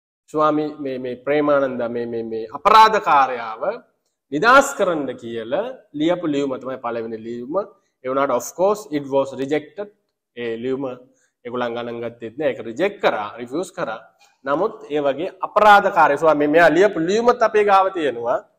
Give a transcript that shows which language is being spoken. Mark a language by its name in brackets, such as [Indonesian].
[Sinhala] Swami Premananda අපරාධ කාරයාව නිදහස් කරන්න කියලා ලියපු ලියුම තමයි පළවෙනි ලියුම. ඒ වුණාට [English] of course it was rejected. [Sinhala] ඒ ලියුම ඒගොල්ලන් ගණන් ගත්තේ නැහැ. ඒක reject කරා, refuse කරා. නමුත් ඒ වගේ අපරාධ කාරය ස්වාමී මෙයා ලියපු ලියුමත් අපේ ගාව තියෙනවා.